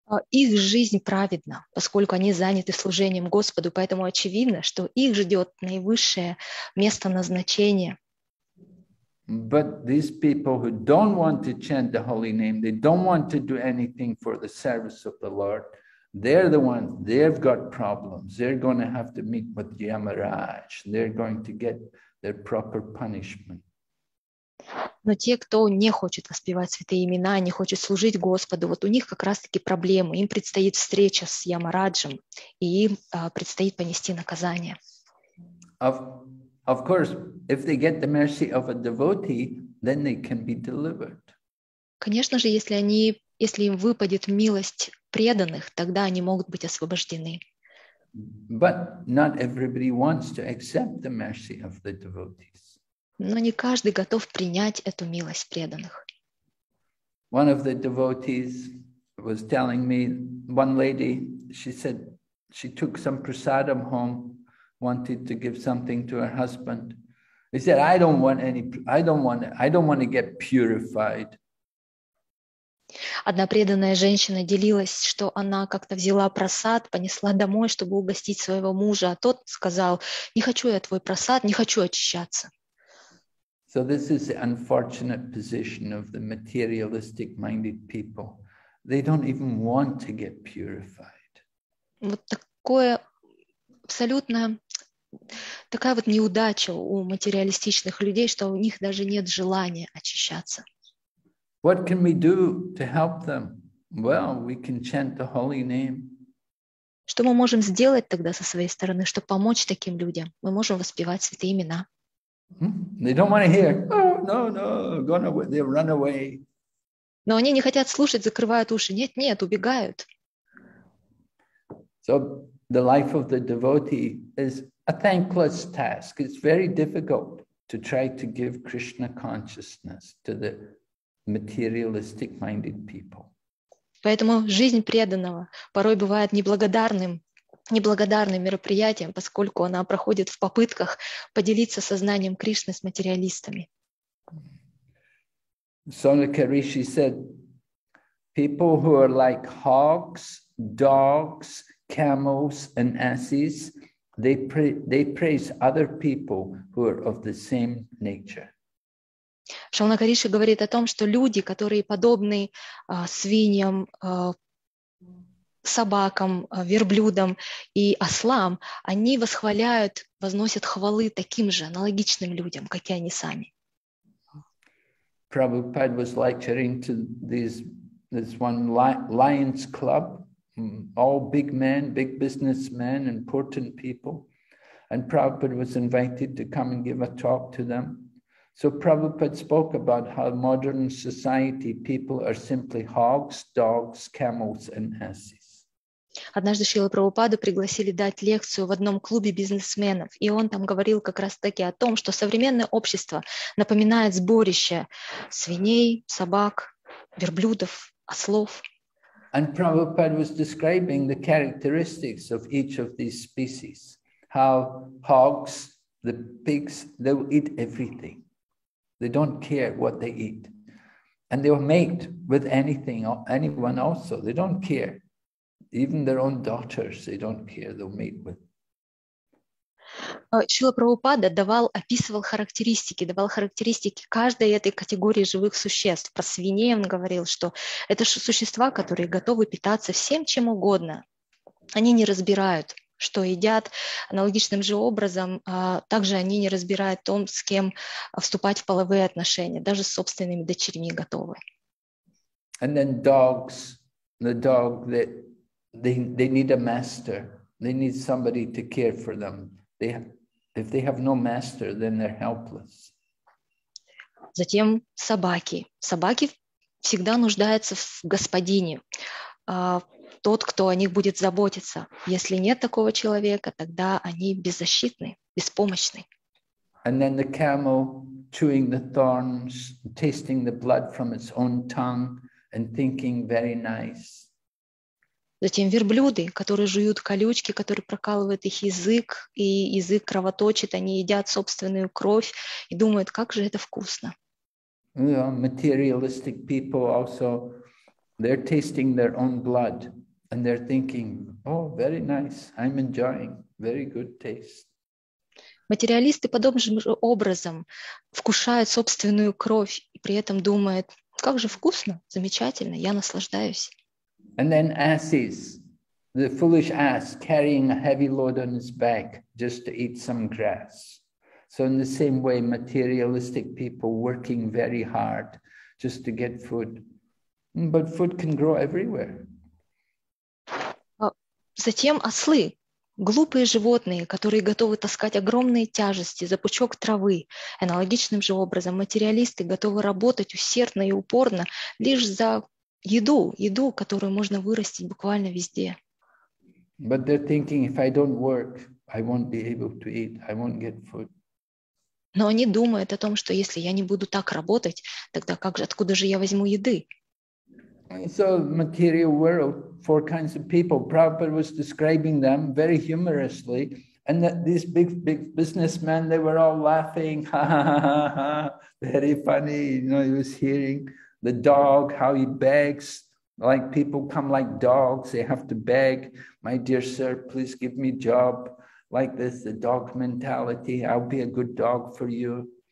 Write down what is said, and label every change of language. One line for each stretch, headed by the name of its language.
Russian: Их жизнь праведна, поскольку они заняты служением Господу, поэтому очевидно, что их ждет наивысшее место назначения.
English: But these people who don't want to chant the holy name, they don't want to do anything for the service of the Lord, they're the ones, they've got problems, they're going to have to meet with Yamaraj, they're going to get their proper punishment.
Russian: Но те, кто не хочет воспевать святые имена, не хочет служить Господу, вот у них как раз-таки проблемы. Им предстоит встреча с Ямараджем, и им предстоит понести наказание.
English: Of course, if they get the mercy of a devotee, then they can be delivered.
Russian: Конечно же, если им выпадет милость преданных, тогда они могут быть освобождены.
English: But not everybody wants to accept the mercy of the devotees.
Russian: Но не каждый готов принять эту милость преданных.
English: One of the devotees was telling me, one lady, she said she took some prasadam home, wanted to give something to her husband. He said, I don't want to get purified.
Russian: Одна преданная женщина делилась, что она как-то взяла просад, понесла домой, чтобы угостить своего мужа, а тот сказал: не хочу я твой просад, не хочу очищаться.
English: So this is the unfortunate position of the materialistic-minded people. They don't even want to get purified.
Russian: Вот такое абсолютно такая вот неудача у материалистичных людей, что у них даже нет желания очищаться.
English: What can we do to help them? Well, we can chant the holy name.
Russian: Что мы можем сделать тогда со своей стороны, чтобы помочь таким людям? Мы можем воспевать святые имена.
English: They don't want to hear. Oh, no, gone away. They run away.
Russian: Но они не хотят слушать, закрывают уши. Нет, убегают.
English: So the life of the devotee is a thankless task. It's very difficult to try to give Krishna consciousness to the materialistic-minded people.
Russian: Поэтому жизнь преданного порой бывает неблагодарным мероприятием, поскольку она проходит в попытках поделиться сознанием Кришны с материалистами.
English: Сонакариши said, people who are like hogs, dogs, camels and asses, they praise other people who are of the same nature.
Russian: Сонакариши говорит о том, что люди, которые подобны свиньям, собакам, верблюдам и ослам, они восхваляют, возносят хвалы таким же аналогичным людям, как и они сами.
English: Prabhupada was lecturing to this one Lions Club, all big men, big businessmen, important people, and Prabhupada was invited to come and give a talk to them. So Prabhupada spoke about how modern society people are simply hogs, dogs, camels and asses.
Russian: Однажды Шрила Прабхупаду пригласили дать лекцию в одном клубе бизнесменов, и он там говорил как раз таки о том, что современное общество напоминает сборище свиней, собак, верблюдов, ослов.
English: And Prabhupada was describing the characteristics of each of these species, how hogs, the pigs, they will eat everything. They don't care what they eat. And they will mate with anything, anyone also. They don't care. Even their own daughters, they don't care, they'll mate with.
Russian: Шрила Прабхупада давал, описывал характеристики, давал характеристики каждой этой категории живых существ. Про свиней он говорил, что это существа, которые готовы питаться всем, чем угодно. Они не разбирают, что едят. Аналогичным же образом, также они не разбирают том, с кем вступать в половые отношения. Даже с собственными дочерьми готовы.
English: And then dogs, the dog, they need a master. They need somebody to care for them. If they have no master, then they're helpless.
Russian: Затем собаки. Собаки всегда нуждаются в господине, тот, кто о них будет заботиться. Если нет такого человека, тогда они беззащитны, беспомощны.
English: And then the camel chewing the thorns, tasting the blood from its own tongue, and thinking very nice.
Russian: Затем верблюды, которые жуют колючки, которые прокалывают их язык, и язык кровоточит, они едят собственную кровь и думают, как же это вкусно.
English: Materialistic people also, they're tasting their own blood, and they're thinking, oh, very nice, I'm enjoying, very good taste.
Russian: Материалисты подобным же образом вкушают собственную кровь, и при этом думают, как же вкусно, замечательно, я наслаждаюсь.
English: And then asses, the foolish ass carrying a heavy load on his back just to eat some grass. So in the same way, materialistic people working very hard just to get food. But food can grow everywhere.
Russian: Затем ослы, глупые животные, которые готовы таскать огромные тяжести за пучок травы. Аналогичным же образом, материалисты готовы работать усердно и упорно лишь за еду, еду, которую можно вырастить буквально везде.
English: But they're thinking, if I don't work, I won't be able to eat, I won't get food.
Russian: Но они думают о том, что если я не буду так работать, тогда как же, откуда же я возьму еды?
English: So material world, four kinds of people. Prabhupada was describing them very humorously, and that these big, big businessmen, they were all laughing, ha ha ha ha, very funny, you know, he was hearing. The dog, how he begs, like people come like dogs, they have to beg, my dear sir, please give me job, like this, the dog mentality, I'll be a good dog for you.